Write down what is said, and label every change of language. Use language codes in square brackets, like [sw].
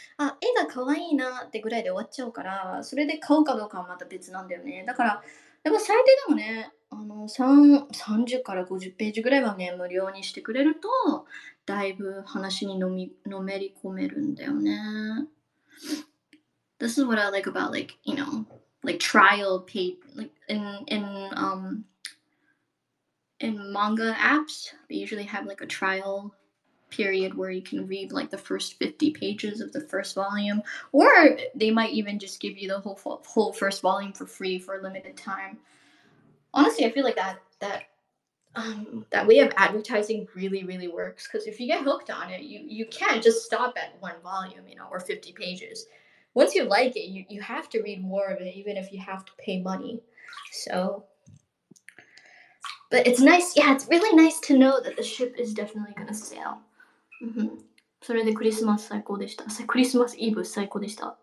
[ja] あ、絵が可愛いなってぐらいで終わっちゃうから、それで買うかどうかはまた別なんだよね。だからでも最低でもね、30から50ページぐらいはね、無料にしてくれるとだいぶ話にのめり込めるんだよね。 [en] This is what I like about like, you know, like trial paid, like in manga apps, they usually have like a trial period where you can read like the first 50 pages of the first volume, or they might even just give you the whole first volume for free for a limited time. Honestly, I feel like that way of advertising really, really works, because if you get hooked on it, you can't just stop at one volume, you know, or 50 pages. Once you like it, you have to read more of it, even if you have to pay money. So, but it's nice, yeah, it's really nice to know that the ship is definitely gonna sail. Mm-hmm. [ja] それでクリスマス最高でした。クリスマスイブ最高でした。